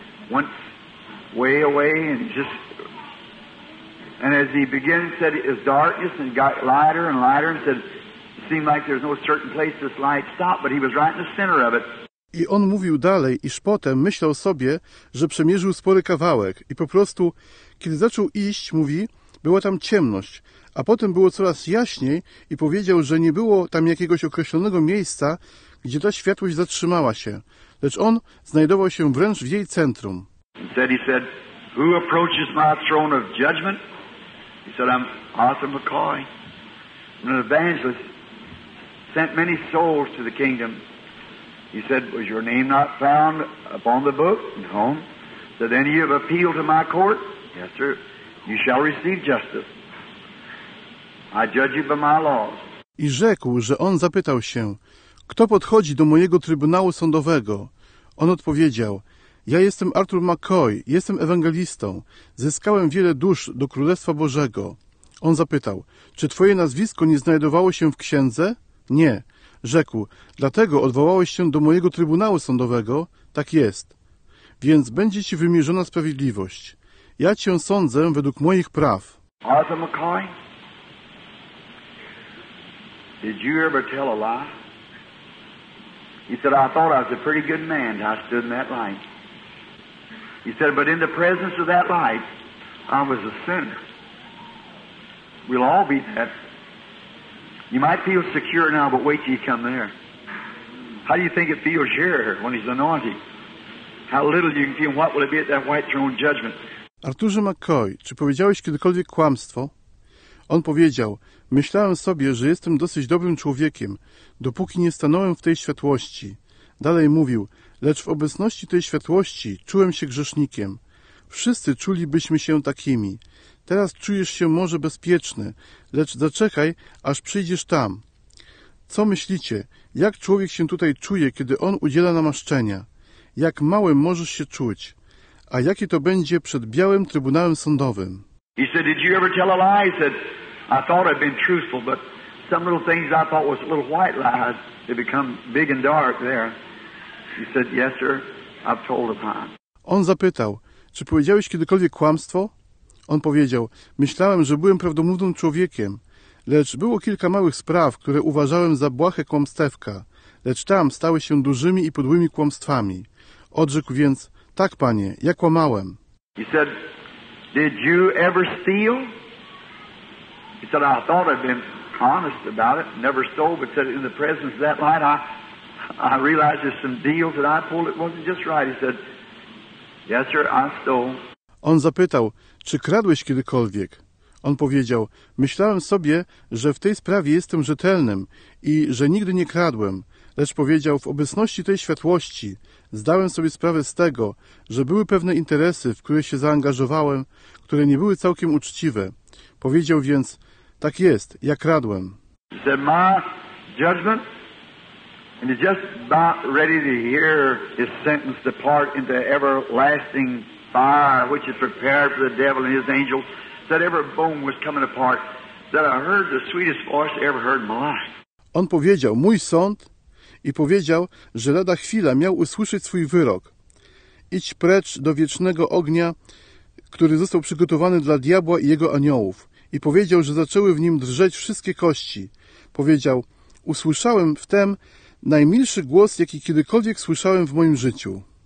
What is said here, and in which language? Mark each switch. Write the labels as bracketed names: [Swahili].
[English] Went way away and just and as he began said it was darkness and got lighter and lighter and said it seemed like there's no certain place this light stopped, but he was right in the center of it. [Polish] I on mówił dalej, iż potem myślał sobie, że przemierzył spory kawałek i po prostu kiedy zaczął iść, mówi, była tam ciemność, a potem było coraz jaśniej i powiedział, że nie było tam jakiegoś określonego miejsca, gdzie ta światłość zatrzymała się. Lecz on znajdował się wręcz w jej centrum. [English] He said, who approaches my throne of judgment? He said, I'm Arthur McCoy. I'm an evangelist. Sent many souls to the kingdom. He said, was your name not found upon the book? No. So then you have appealed to my court? Yes, sir. You shall receive justice. I judge you by my laws. [Polish] I rzekł, że on zapytał się, kto podchodzi do mojego trybunału sądowego? On odpowiedział, ja jestem Arthur McCoy, jestem ewangelistą. Zyskałem wiele dusz do Królestwa Bożego. On zapytał, czy twoje nazwisko nie znajdowało się w księdze? Nie. Rzekł, dlatego odwołałeś się do mojego trybunału sądowego? Tak jest. Więc będzie ci wymierzona sprawiedliwość. ja cię sądzę według moich praw. [English] Arthur McCoy, did you ever tell a lie? He said, I thought I was a pretty good man when I stood in that light. He said, but in the presence of that light, I was a sinner. We'll all be that. You might feel secure now, but wait till you come there. How do you think it feels here when he's anointed? How little you can feel, what will it be at that white throne judgment? [Polish] Arthurze McCoy, czy powiedziałeś kiedykolwiek kłamstwo? On powiedział, myślałem sobie, że jestem dosyć dobrym człowiekiem, dopóki nie stanąłem w tej światłości. Dalej mówił, lecz w obecności tej światłości czułem się grzesznikiem. Wszyscy czulibyśmy się takimi. Teraz czujesz się może bezpieczny, lecz zaczekaj, aż przyjdziesz tam. Co myślicie, jak człowiek się tutaj czuje, kiedy on udziela namaszczenia? Jak małym możesz się czuć? A jakie to będzie przed Białym Trybunałem Sądowym? [English] He said, did you ever tell a lie? He said, I thought I'd been truthful, but some little things I thought was little white lies, they become big and dark there. He said, yes, sir, I've told a lie. [Polish] On zapytał, czy powiedziałeś kiedykolwiek kłamstwo? On powiedział, myślałem, że byłem prawdomównym człowiekiem, lecz było kilka małych spraw, które uważałem za błahe kłamstewka, lecz tam stały się dużymi i podłymi kłamstwami. Odrzekł więc, tak, panie, ja kłamałem. [English] He said, did you ever steal? He said, I thought I'd been honest about it, never stole, but said, in the presence of that light, I realized there's some deals that I pulled, it wasn't just right. He said, yes, sir, I stole. [Polish] On zapytał, czy kradłeś kiedykolwiek? On powiedział, myślałem sobie, że w tej sprawie jestem rzetelnym i że nigdy nie kradłem, lecz powiedział, w obecności tej światłości zdałem sobie sprawę z tego, że były pewne interesy, w które się zaangażowałem, które nie były całkiem uczciwe. Powiedział więc, tak jest, ja kradłem. [English] Said, my judgment, and he's just about ready to hear his sentence depart into everlasting fire, which is prepared for the devil and his angels. Said every bone was coming apart. That I heard the sweetest voice I ever heard in my life. [Polish] On powiedział, mój sąd, i powiedział, że lada chwila miał usłyszeć swój wyrok. Idź precz do wiecznego ognia, który został przygotowany dla diabła i jego aniołów. I powiedział, że zaczęły w nim drżeć wszystkie kości. Powiedział, usłyszałem wtem najmilszy głos, jaki kiedykolwiek słyszałem w moim życiu.